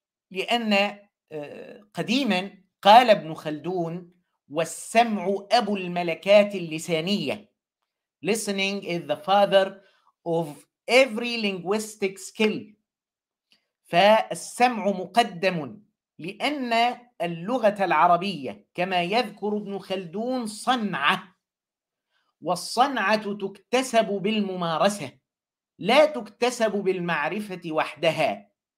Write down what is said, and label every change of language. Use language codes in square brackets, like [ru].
[ar] لأن قديما قال ابن خلدون: والسمع أبو الملكات اللسانية. [en] Listening is the father of every linguistic skill. [ar] فالسمع مقدم، لأن اللغة العربية كما يذكر ابن خلدون صنعة، والصنعة تكتسب بالممارسة لا تكتسب بالمعرفة وحدها.